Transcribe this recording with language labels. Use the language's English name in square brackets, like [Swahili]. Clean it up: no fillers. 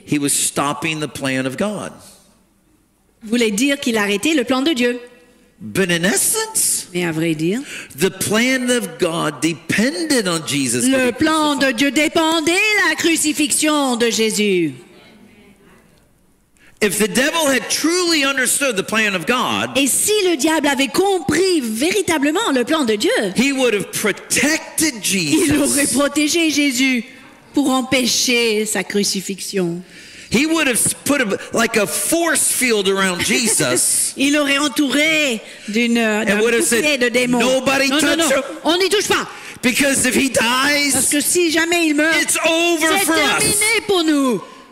[English] he was stopping the plan of God. [French] Voulait dire qu'il arrêtait le plan de Dieu. [English] But in essence, [French] mais à vrai dire, [English] the plan of God depended on Jesus. [French] Le plan de Dieu dépendait la crucifixion de Jésus. [English] If the devil had truly understood the plan of God, [French] et si le diable avait compris véritablement le plan de Dieu, [English] he would have protected Jesus. [French] Il aurait protégé Jésus pour empêcher sa crucifixion. [English] He would have put like a force field around Jesus. [French] Il aurait entouré d'un bouclier de démons. [English] Nobody [French] non, [English] touch [French] non, non. [English] Him. [French] On n'y touche pas. [English] Because if he dies, [French] parce que si jamais il meurt, [English] it's over [French] c'est [English] for [French] terminé [English] us. [French] Pour nous.